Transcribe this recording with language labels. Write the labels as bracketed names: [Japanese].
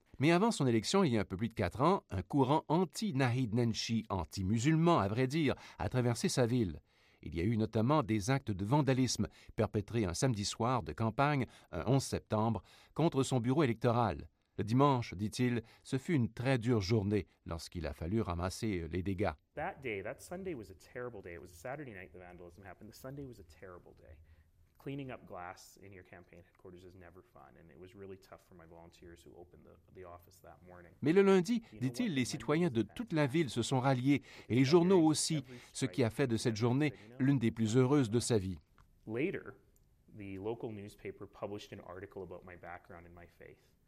[French] Mais avant son élection, il y a un peu plus de 4 ans, un courant anti-Nahed Nenshi, anti-musulman, à vrai dire, a traversé sa ville. Il y a eu notamment des actes de vandalisme perpétrés un samedi soir de campagne, un 11 septembre, contre son bureau électoral. Le dimanche, dit-il, ce fut une très dure journée lorsqu'il a fallu ramasser les dégâts. [English] That day, that Sunday was a terrible day. It was a Saturday night the vandalism happened. The Sunday was a terrible day. Cleaning up glass in your campaign headquarters is never fun, and it was really tough for my volunteers who opened the office that morning. [French] Mais le lundi, dit-il, les citoyens de toute la ville se sont ralliés et les journaux aussi, ce qui a fait de cette journée l'une des plus heureuses de sa vie. [English] Later, the local newspaper published an article about my background and my faith.